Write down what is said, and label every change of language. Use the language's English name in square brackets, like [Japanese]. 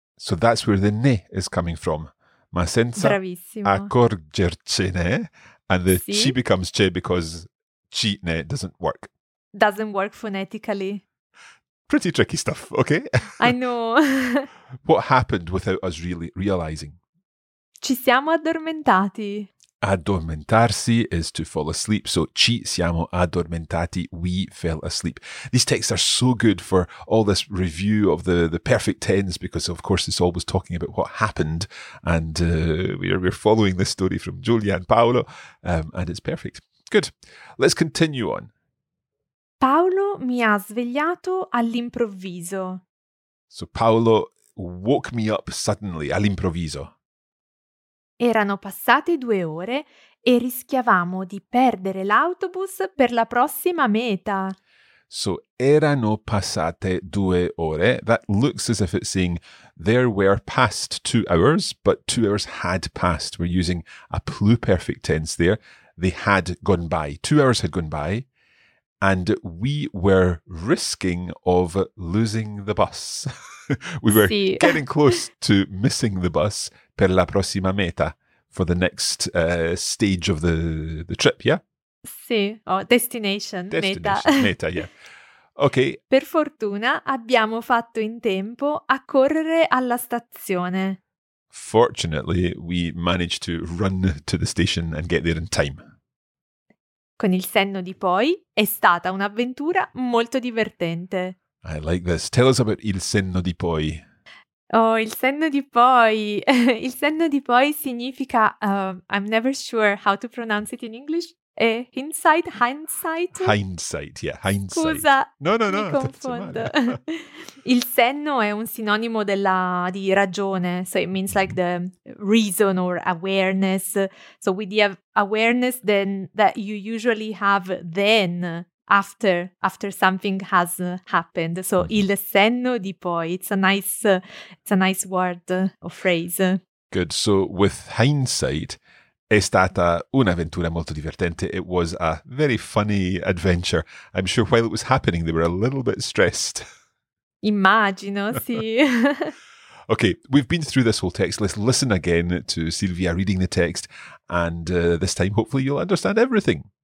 [English] So that's where the ne is coming from. Ma senza accorgercene, and the ci becomes ce because ci ne doesn't work. Doesn't work phonetically. Pretty tricky stuff, okay? I know. What happened without us really realizing? [Italian] Ci siamo addormentati. [English] Addormentarsi is to fall asleep. So ci siamo addormentati, we fell asleep. These texts are so good for all this review of the perfect tense because, of course, it's always talking about what happened. And we're following this story from Giulia and Paolo, and it's perfect. Good. Let's continue on. [Italian] Paolo mi ha svegliato all'improvviso. [English] So Paolo woke me up suddenly, all'improvviso. [Italian] Erano passate 2 ore e rischiavamo di perdere l'autobus per la prossima meta. So, erano passate 2 ore. [English] That looks as if it's saying there were past 2 hours, but 2 hours had passed. We're using a pluperfect tense there. They had gone by. 2 hours had gone by. And we were risking of losing the bus. We were [Italian] sì. [English] Getting close to missing the bus per la prossima meta, for the next stage of the trip, yeah? Sì, oh, destination, meta, yeah. Okay. [Italian] Per fortuna abbiamo fatto in tempo a correre alla stazione. [English] Fortunately, we managed to run to the station and get there in time. [Italian] Con il senno di poi, è stata un'avventura molto divertente. [English] I like this. Tell us about il senno di poi. Oh, il senno di poi. Il senno di poi significa, I'm never sure how to pronounce it in English, hindsight? Hindsight, yeah, hindsight. [Italian] Scusa, no, mi confondo. [English] Il senno è un sinonimo di ragione, so it means like the reason or awareness. So with the awareness then that you usually have then, after something has happened. So il senno di poi, it's a nice word or phrase. Good, so with hindsight, è stata un'avventura molto divertente. It was a very funny adventure. I'm sure while it was happening, they were a little bit stressed. [Italian] Immagino, sì. [English] Okay, we've been through this whole text. Let's listen again to Silvia reading the text. And this time, hopefully, you'll understand everything.